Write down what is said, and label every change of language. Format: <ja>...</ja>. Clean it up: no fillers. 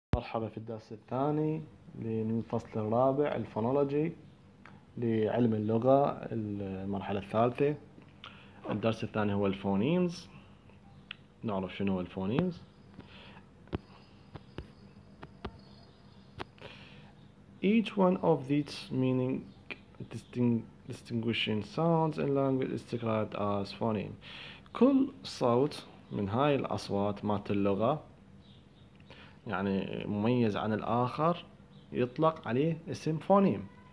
<ar>مرحلة في الدرس الثاني، للفصل الرابع الفونولوجي، لعلم اللغة المرحلة الثالثة. الدرس الثاني هو الفونيمز، نعرف شنو هو الفونيمز.</ar> <en>Each one of these meaning distinguishing sounds in language is described as phoneme.</en> <ar>كل صوت من هاي الأصوات مات اللغة يعني مميز عن الآخر يطلق عليه اسم فونيم.</ar>